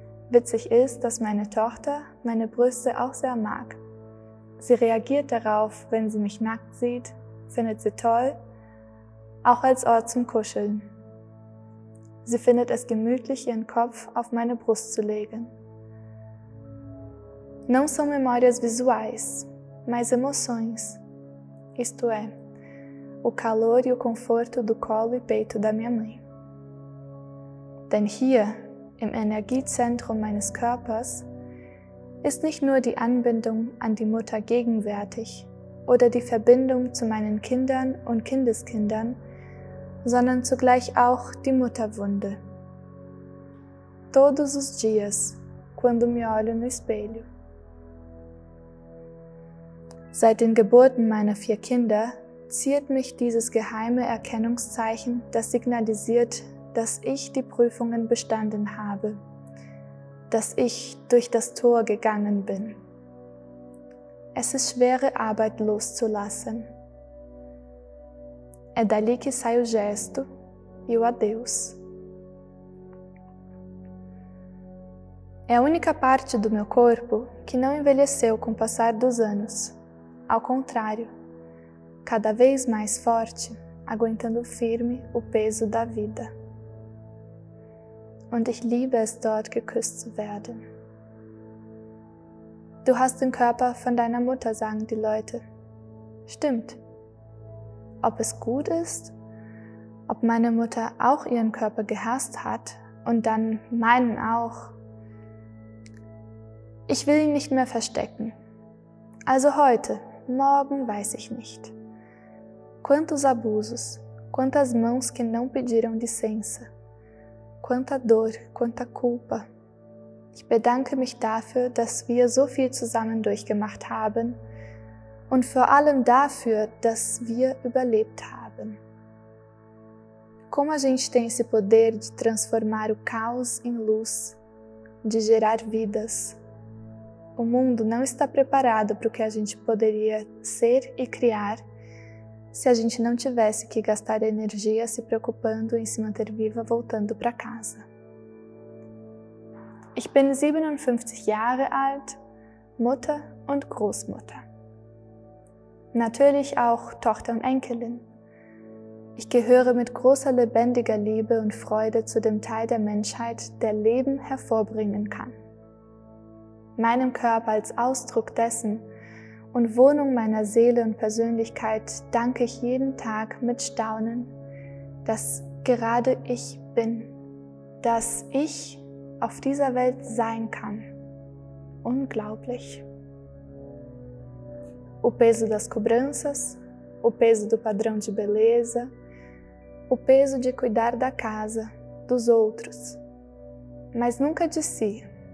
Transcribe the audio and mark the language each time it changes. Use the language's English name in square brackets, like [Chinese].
[German] Witzig ist, dass meine Tochter meine Brüste auch sehr mag. Sie reagiert darauf, wenn sie mich nackt sieht, findet sie toll, auch als Ort zum Kuscheln. Sie findet es gemütlich, ihren Kopf auf meine Brust zu legen. [Portuguese] Não são memórias visuais, mas emoções. Isto é, o calor e o conforto do colo e peito da minha mãe. [German] Denn hier, im Energiezentrum meines Körpers, ist nicht nur die Anbindung an die Mutter gegenwärtig oder die Verbindung zu meinen Kindern und Kindeskindern, sondern zugleich auch die Mutterwunde. [Portuguese] Todos os dias, quando me olho no espelho. [German] Seit den Geburten meiner vier Kinder ziert mich dieses geheime Erkennungszeichen, das signalisiert, dass ich die Prüfungen bestanden habe, dass ich durch das Tor gegangen bin. Es ist schwere Arbeit loszulassen. [Portuguese] É dali que sai o gesto e o adeus. É a única parte do meu corpo que não envelheceu com o passar dos anos. Ao contrário, cada vez mais forte, aguentando firme o peso da vida. [German] Und ich liebe es, dort geküsst zu werden. Du hast den Körper von deiner Mutter, sagen die Leute. Stimmt. Ob es gut ist, ob meine Mutter auch ihren Körper gehasst hat und dann meinen auch. Ich will ihn nicht mehr verstecken. Also heute, morgen weiß ich nicht. [Portuguese] Quantos abusos, quantas mãos que não pediram licença. Quanta dor, quanta culpa. [German] Ich bedanke mich dafür, dass wir so viel zusammen durchgemacht haben und vor allem dafür, dass wir überlebt haben. [Portuguese] como a gente tem esse poder de transformar o caos em luz, de gerar vidas. O mundo não está preparado para o que a gente poderia ser e criar se a gente não tivesse que gastar energia se preocupando em se manter viva voltando para casa. [German] Ich bin 57 Jahre alt, Mutter und Großmutter. Natürlich auch Tochter und Enkelin. Ich gehöre mit großer lebendiger Liebe und Freude zu dem Teil der Menschheit, der Leben hervorbringen kann. Meinem Körper als Ausdruck dessen und Wohnung meiner Seele und Persönlichkeit danke ich jeden Tag mit Staunen, dass gerade ich bin, dass ich auf dieser Welt sein kann. Unglaublich. [Portuguese] O peso das cobranças, o peso do padrão de beleza, o peso de cuidar da casa, dos outros, mas nunca de si.